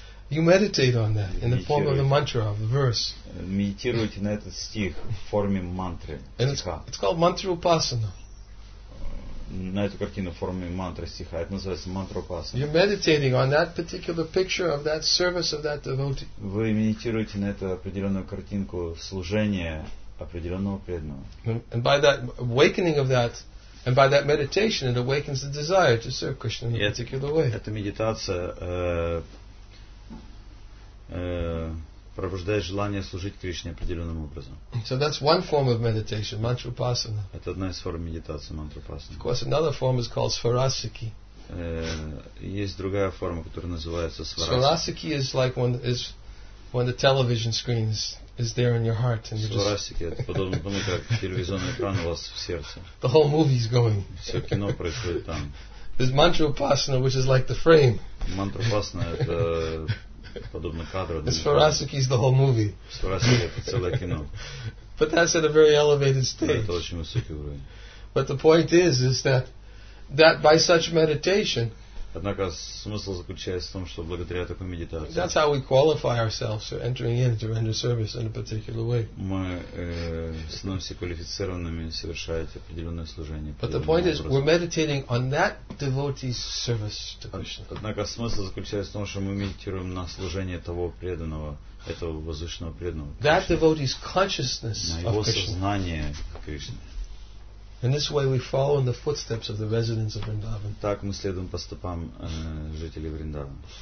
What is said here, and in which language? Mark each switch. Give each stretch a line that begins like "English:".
English: You meditate on that in the form of the mantra, of the verse.
Russian: Медитируйте на этот стих в форме мантры.
English: It's called mantra upasana.
Russian: На эту картину в форме мантры стиха. Это называется мантра упасана.
English: You're meditating on that particular picture of that service of that devotee.
Russian: Вы медитируете на эту определенную картинку служения определенного преданного.
English: And by that awakening of that, and by that meditation, it awakens the desire to serve Krishna in a particular way.
Russian: Эта медитация пробуждает желание служить Кришне определенным образом.
English: So that's one form of meditation, mantra upasana.
Russian: Это одна из форм медитации, мантра упасана.
English: Of course, another form is called svarasiki.
Russian: Есть другая форма, которая называется сварасики.
English: Svarasiki is like when the television screen is there in your heart and you're just.
Russian: Это подобно тому, как телевизионный экран у вас в сердце.
English: The whole movie is going.
Russian: Все кино происходит там.
English: There's mantra upasana, which is like the frame.
Russian: Мантра упасана это подобно кадру.
English: The svarasiki is the whole movie.
Russian: Svarasiki это целое кино.
English: But that's at a very elevated stage.
Russian: Это очень высокий уровень.
English: But the point is that by such meditation.
Russian: Однако смысл заключается в том, что благодаря такой медитации.
English: That's how we qualify ourselves for entering in to render service in a particular way.
Russian: Мы становимся квалифицированными совершать определенное служение.
English: But the point is, we're meditating on that devotee's service to Krishna.
Russian: Однако смысл заключается в том, что мы медитируем на служение того преданного, этого возвышенного преданного.
English: That devotee's consciousness of Krishna.
Russian: На его сознание Кришны.
English: In this way, we follow in the footsteps of the residents of Vrindavan.
Russian: Так мы следуем по стопам жителей Вриндавана.